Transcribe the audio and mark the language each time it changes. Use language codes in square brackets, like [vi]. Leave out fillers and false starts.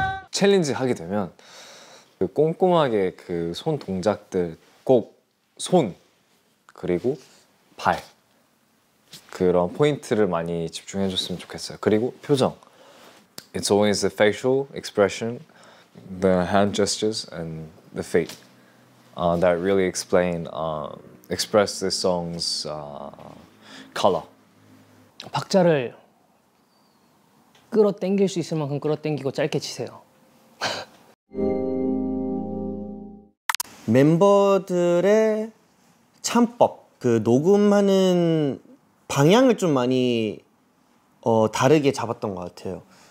[ko] 챌린지 하게 되면 그 꼼꼼하게 그 손 동작들 꼭 손 그리고 발 그런 포인트를 많이 집중해줬으면 좋겠어요. 그리고 표정. [en] It's always the facial expression, the hand gestures, and the feet that really explain express this song's color. [ko] 박자를 끌어당길 수 있을 만큼 끌어당기고 짧게 치세요. 멤버들의 참법, 그 녹음하는 방향을 좀 많이 다르게 잡았던 것 같아요.